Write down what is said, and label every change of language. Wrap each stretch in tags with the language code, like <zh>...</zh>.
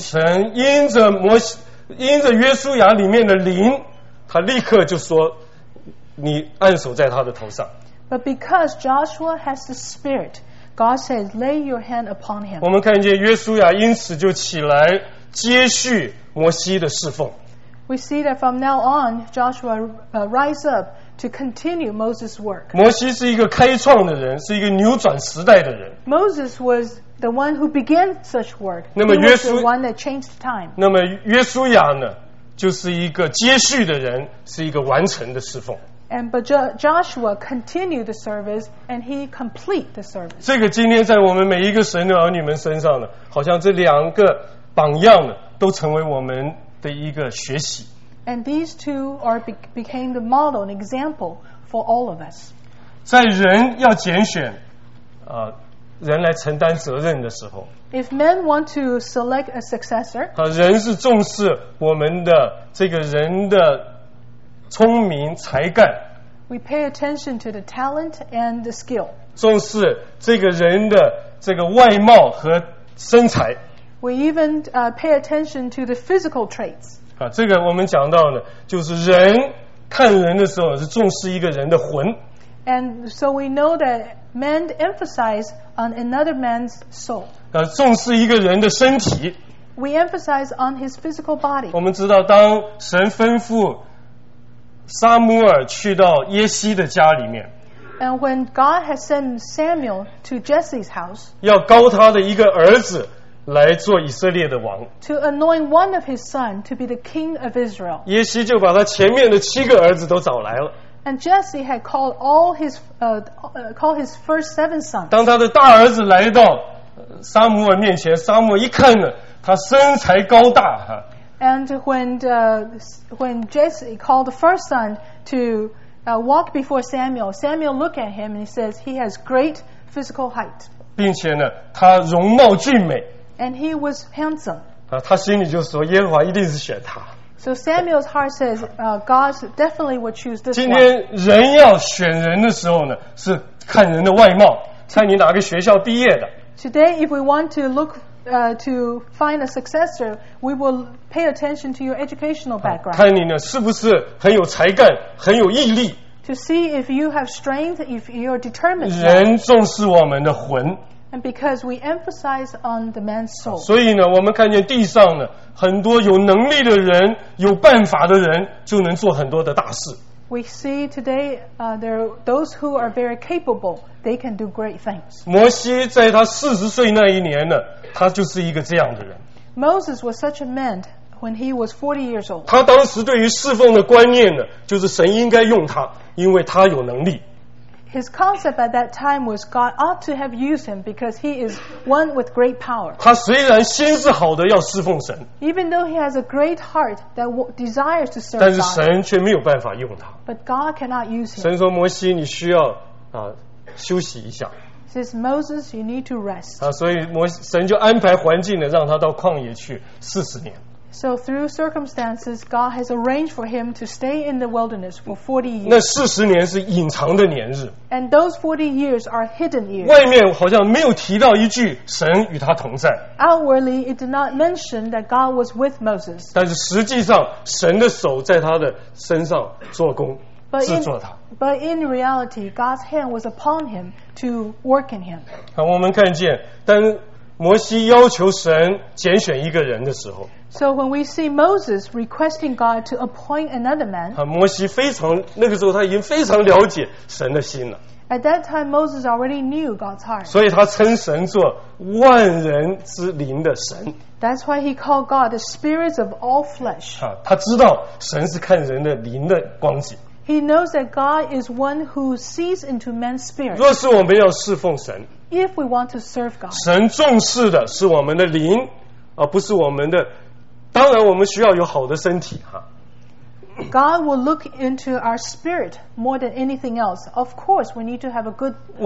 <zh>神因着摩西，因着约书亚里面的灵，他立刻就说，你按手在他的头上。</zh> <en>But because Joshua has the Spirit, God says, lay your hand upon him.</en> <zh>我们看见约书亚因此就起来接续摩西的侍奉。</zh> <en>We see that from now on, Joshua rise up to continue Moses' work.</en> <zh>摩西是一个开创的人，是一个扭转时代的人。</zh> <en>Moses was the one who began such work. He was the one that changed time.</en> <zh>那么约书亚呢，就是一个接续的人，是一个完成的侍奉。</zh> <en>And but Joshua continued the service, and he completed the service.</en> <zh>这个今天在我们每一个神的儿女们身上呢，好像这两个榜样呢，都成为我们的一个学习。</zh> <en>And these two are became the model, an example for all of us.</en> <zh>在人要拣选，人来承担责任的时候</zh> <en>，If men want to select a successor,</en> <zh>人是重视我们的这个人的。聪明才干</zh> <en>We pay attention to the talent and the skill.</en> <zh>重视这个人的这个外貌和身材</zh> <en>We even pay attention to the physical traits.</en> <zh>啊，这个我们讲到呢，就是人看人的时候是重视一个人的魂</zh> <en>And so we know that men emphasize on another man's soul.</en> <zh>啊，重视一个人的身体</zh> <en>We emphasize on his physical body.</en> <zh>我们知道，当神吩咐撒母耳去到耶西的家里面</zh> <en>And when God has sent Samuel to Jesse's house</en> <zh>要高他的一个儿子来做以色列的王</zh> <en>To anoint one of his son to be the king of Israel</en> <zh>耶西就把他前面的七个儿子都找来了</zh> <en>And Jesse had called all his called his first seven sons</en> <zh>当他的大儿子来到撒母耳面前撒母耳一看呢他身材高大哈</zh> <en>And when Jesse called the first son to walk before Samuel, Samuel looked at him and he says he has great physical height.</en> <zh>并且呢，他容貌俊美。</zh> <en>And he was handsome.</en> <zh>啊，他心里就说耶和华一定是选他。</zh> <en>So Samuel's heart says, God definitely would choose this.</en> <zh>今天人要选人的时候呢，是看人的外貌，看你哪个学校毕业的。</zh> <en>Today, if we want to look to find a successor, we will pay attention to your educational background.</en> <zh>看你呢，是不是很有才干，很有毅力</zh> <en>？To see if you have strength, if you are determined.</en> <zh>人重视我们的魂。</zh> <en>And because we emphasize on the man's soul.</en> <zh>所以呢，我们看见地上呢，很多有能力的人，有办法的人，就能做很多的大事。</zh> <en>We see today, there are those who are very capable. They can do great things.</en> <zh>摩西在他四十岁那一年呢，他就是一个这样的人。</zh> <en>Moses was such a man when he was 40 years old.</en> <zh>他当时对于侍奉的观念呢，就是神应该用他，因为他有能力。</zh> <en>His concept at that time was God ought to have used him because he is one with great power.</en> <zh>他虽然心是好的要侍奉神</zh> <en>Even though he has a great heart that desires to serve God.</en> <zh>但是神却没有办法用他</zh> <en>But God cannot use him.</en> <zh>神说摩西你需要休息一下</zh> <en>Says Moses you need to rest.</en> <zh>啊，所以神就安排环境呢，让他到旷野去四十年</zh> <en>So through circumstances, God has arranged for him to stay in the wilderness for 40 years.</en> <zh>那四十年是隐藏的年日。</zh> <en>And those 40 years are hidden years.</en> <zh>外面好像没有提到一句神与他同在。</zh> <en>Outwardly, it did not mention that God was with Moses.</en> <zh>但是实际上，神的手在他的身上做工，制作他。</zh> <en>But in reality, God's hand was upon him to work in him.</en> <zh>好，我们看见，当摩西要求神拣选一个人的时候。</zh> <en>So when we see Moses requesting God to appoint another man,</en> <zh>摩西非常那个时候他已经非常了解神的心了。</zh> <en>At that time, Moses already knew God's heart.</en> <zh>所以他称神做万人之灵的神。</zh> <en>That's why he called God the spirit of all flesh.</en> <zh>他知道神是看人的灵的光景。</zh> <en>He knows that God is one who sees into man's spirit.</en> <zh>若是我们要侍奉神</zh> <en>，If we want to serve God,</en> <zh>神重视的是我们的灵，而不是我们的。当然我们需要有好的身体哈。</zh> <en>God will look into our spirit more than anything else. Of course, we need to have a good physical body.</en>